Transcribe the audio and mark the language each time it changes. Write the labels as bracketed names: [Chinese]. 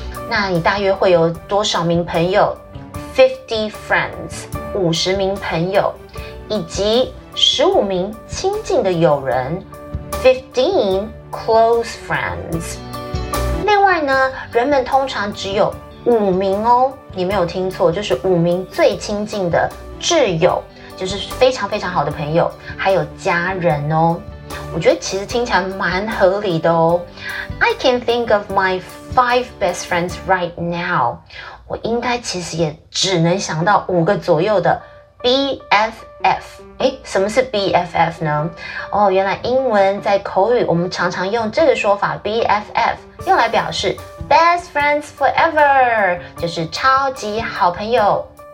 [Chinese] 那你大约会有多少名朋友 ？50 friends， 50名朋友，以及15名亲近的友人 ， [English] 15 close friends。 [Chinese] 另外呢，人们通常只有5名哦，你没有听错，就是5名最亲近的挚友，就是非常非常好的朋友，还有家人哦。我觉得其实听起来蛮合理的哦。 [English] I can think of my 5 best friends right now。 [Chinese] 我应该其实也只能想到5个左右的 BFF。什么是 BFF 呢？哦，原来英文在口语我们常常用这个说法 BFF， 用来表示 [English] Best Friends Forever， [Chinese] 就是超级好朋友。